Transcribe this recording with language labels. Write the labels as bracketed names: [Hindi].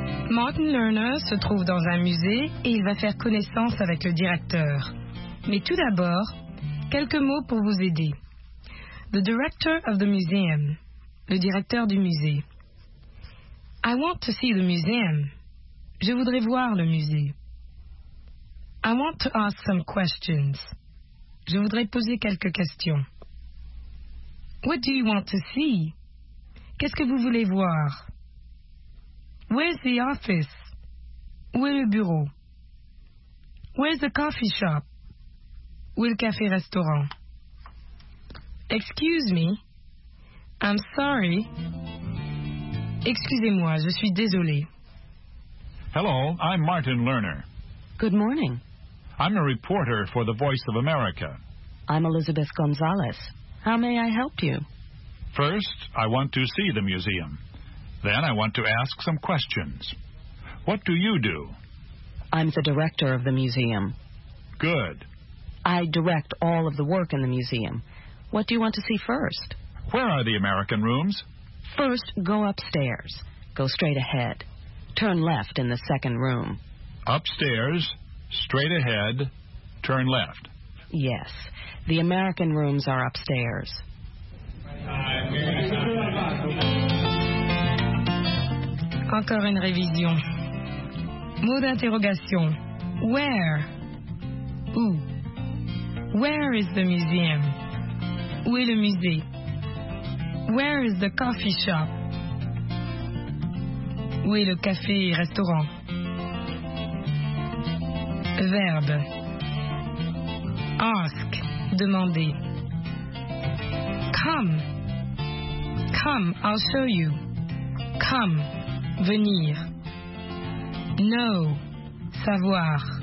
[French] Martin Lerner se trouve dans un musée et il va faire connaissance avec le directeur. Mais tout d'abord, quelques mots pour vous aider. [English] The director of the museum. [French] Le directeur du musée. [English] I want to see the museum. [French] Je voudrais voir le musée. [English] I want to ask some questions. [French] Je voudrais poser quelques questions. [English] What do you want to see? [French] Qu'est-ce que vous voulez voir? [English] Where's the office? [French] Où est le bureau? [English] Where's the coffee shop? [French] Où est le café-restaurant? [English] Excuse me. I'm sorry. [French] Excusez-moi, je suis désolé. [English] Hello, I'm Martin Lerner. Good morning. I'm a reporter for the Voice of America. I'm Elizabeth Gonzalez. How may I help you? First, I want to see the museum. Then I want to ask some questions. What do you do? I'm the director of the museum. Good. I direct all of the work in the museum. What do you want to see first? Where are the American rooms? First, go upstairs. Go straight ahead. Turn left in the second room. Upstairs, straight ahead, turn left. Yes. The American rooms are upstairs. [French] Encore une révision. Mot d'interrogation. Where? Où? [English] Where is the museum? [French] Où est le musée? [English] Where is the coffee shop? [French] Où est le café et restaurant? Verbe. Ask. Demander. Come. [English] Come, I'll show you. Come. Venir. Know. Savoir.